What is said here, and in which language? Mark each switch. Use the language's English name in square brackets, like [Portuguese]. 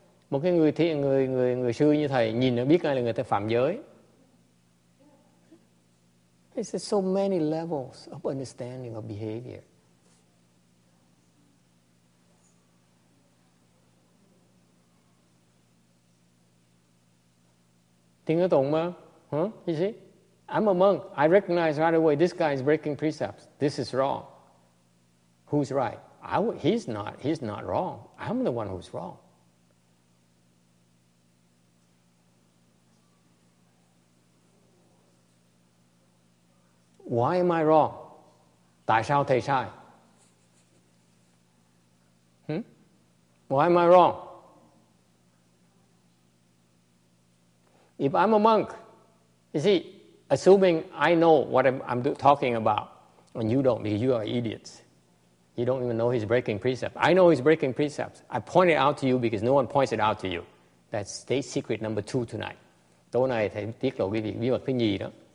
[Vietnamese] Một cái người thiện, người sư như thầy, nhìn nó biết ngay là người ta phạm giới. [English] It's so many levels of understanding of behavior. [Vietnamese] Tiếng nói tụng mà, [English] you see? I'm a monk. I recognize right away this guy is breaking precepts. This is wrong. Who's right? He's not wrong. I'm the one who's wrong. Why am I wrong? [Vietnamese] Tại sao thầy sai? [English] Why am I wrong? If I'm a monk, you see, assuming I know what I'm talking about, and you don't, because you are idiots. You don't even know he's breaking precepts. I know he's breaking precepts. I point it out to you because no one points it out to you. That's state secret number 2 tonight. [Vietnamese] Tối nay thầy tiết lộ cái bí mật thứ nhì đó.